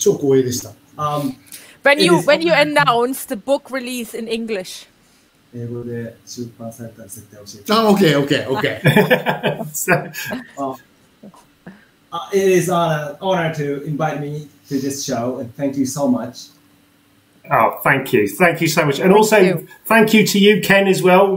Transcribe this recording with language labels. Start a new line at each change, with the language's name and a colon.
English: When you announce the book release in English.
Japanese: 英語で出版されたら絶対教えてください。OK.
English: It is an honor to invite me to this show, and thank you so much. Oh, thank you. Thank you so much. And also, thank you to you, Ken, as well.